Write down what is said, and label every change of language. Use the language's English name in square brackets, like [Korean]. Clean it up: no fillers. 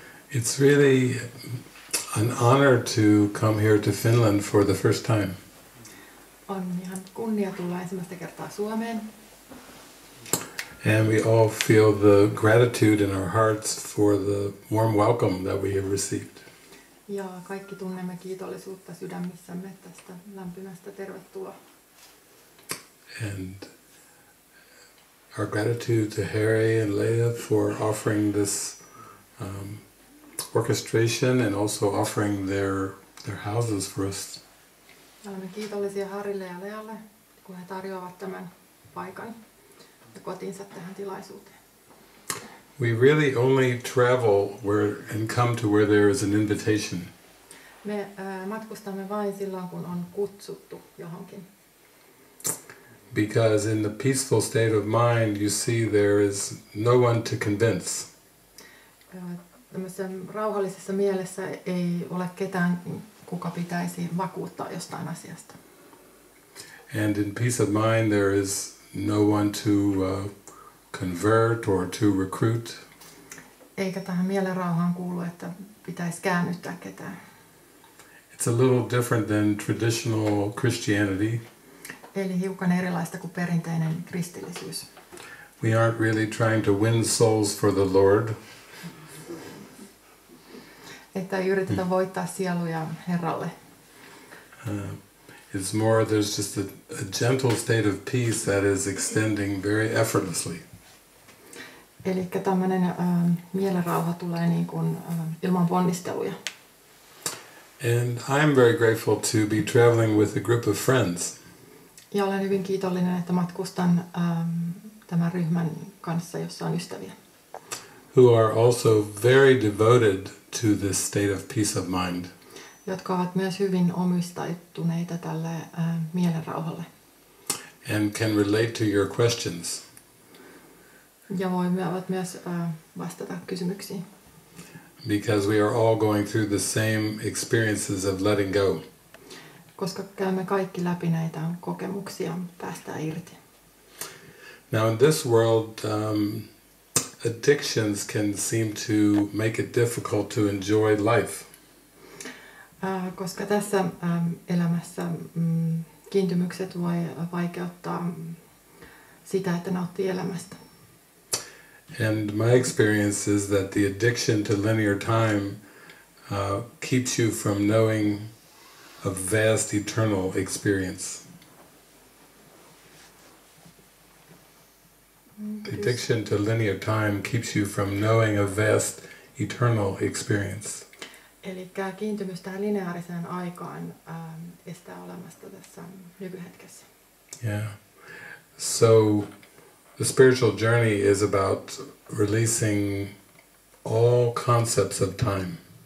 [English] It's really an honor to come here to Finland for the first time. [Finnish] On ihan kunnia tulla ensimmäistä kertaa Suomeen. [English] And we all feel the gratitude in our hearts for the warm welcome that we have received. [Finnish] Ja kaikki tunnemme kiitollisuutta sydämissämme tästä lämpimästä tervetuloa. [English] And our gratitude to Harry and Leia for offering this orchestration and also offering their houses for us. [Finnish] Olemme kiitollisia Harrylle ja Lealle, kun he tarjoavat tämän paikan ja kotinsa tähän tilaisuuteen. [English] We really only travel where and come to where there is an invitation. [Finnish] Me matkustamme vain silloin, kun on kutsuttu johonkin. [English] Because in the peaceful state of mind, you see there is no one to convince. [Finnish] Tämmöisessä rauhallisessa mielessä ei ole ketään, kuka pitäisi vakuuttaa jostain asiasta. [English] And in peace of mind, there is no one to convert or to recruit. [Finnish] Eikä tähän mielenrauhaan kuulu, että pitäisi käännyttää ketään. [English] It's a little different than traditional Christianity. [Finnish] Eli hiukan erilaista kuin perinteinen kristillisyys. [English] We aren't really trying to win souls for the Lord. [Finnish] Että ei yritetä voittaa sieluja Herralle. [English] It's more there's just a gentle state of peace that is extending very effortlessly. [Finnish] Elikkä tämmönen mielenrauha tulee niin kuin ilman ponnisteluja. [English] And I'm very grateful to be traveling with a group of friends. [Finnish] Ja olen hyvin kiitollinen, että matkustan tämän ryhmän kanssa, jossa on ystäviä. [English] Who are also very devoted to this state of peace of mind. [Finnish] Jotka ovat myös hyvin omistautuneita tälle mielenrauhalle. [English] And can relate to your questions. [Finnish] Ja voivat myös vastata kysymyksiin. [English] Because we are all going through the same experiences of letting go. [Finnish] Koska käymme kaikki läpi näitä kokemuksia päästä irti. [English] Now in this world addictions can seem to make it difficult to enjoy life. [Finnish] Koska tässä elämässä kiintymykset voi vaikeuttaa sitä, että nauttii elämästä. [English] And my experience is that the addiction to linear time keeps you from knowing a vast eternal experience. The addiction to linear time keeps you from knowing a vast eternal experience. [Finnish] Eli kiintymys tähän lineaariseen aikaan estää olemasta tässä nykyhetkessä. [English] Yeah. So the spiritual journey is about releasing all concepts of time.